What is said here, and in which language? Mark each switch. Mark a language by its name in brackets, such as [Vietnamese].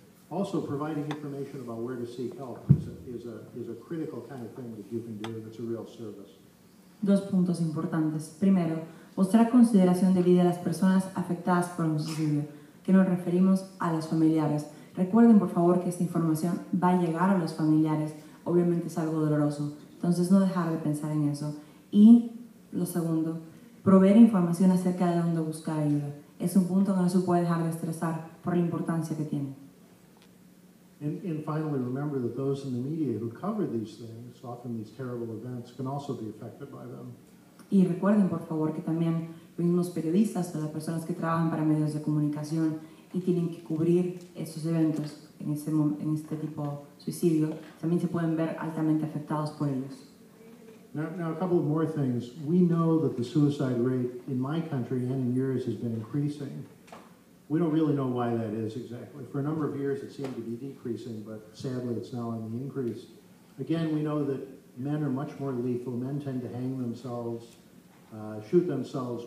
[English] Also, providing information about where to seek help is a critical kind of thing that you can do, and it's a real service. [Spanish] Dos puntos importantes. Primero, mostrar consideración debida a las personas afectadas por un suicidio, que nos referimos a los familiares. Recuerden, por favor, que esta información va a llegar a los familiares. Obviamente es algo doloroso, entonces no dejar de pensar en eso. Y lo segundo, proveer información acerca de dónde buscar ayuda. Es un punto que no se puede dejar de estresar por la importancia que tiene. [English] And finally, remember that those in the media who cover these things, often these terrible events, can also be affected by them. [Spanish] Y recuerden, por favor, que también los mismos periodistas o las personas que trabajan para medios de comunicación y tienen que cubrir esos eventos en este tipo de suicidio, también se pueden ver altamente afectados por ellos. [English] Now a couple of more things. We know that the suicide rate in my country and in yours has been increasing. We don't really know why that is exactly. For a number of years, it seemed to be decreasing, but sadly, it's now on the increase. Again, we know that men are much more lethal. Men tend to hang themselves, shoot themselves.